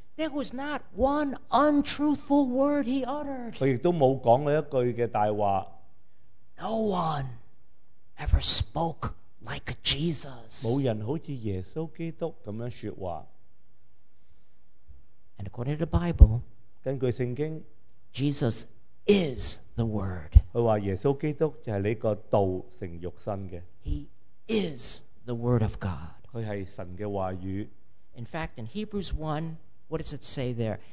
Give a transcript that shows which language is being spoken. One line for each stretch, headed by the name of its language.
English: There was not one untruthful word he uttered.
Chinese: 他也没有说过一句的大话。
English: No one ever spoke like Jesus.
Chinese: 没有人好像耶稣基督这样说话。
English: And according to the Bible,
Chinese: 根据圣经,
English: Jesus is the Word.
Chinese: 他说耶稣基督就是这个道成肉身的。
English: He is the Word of God.
Chinese: 他是神的话语。
English: In fact, in Hebrews 1, what does it say there?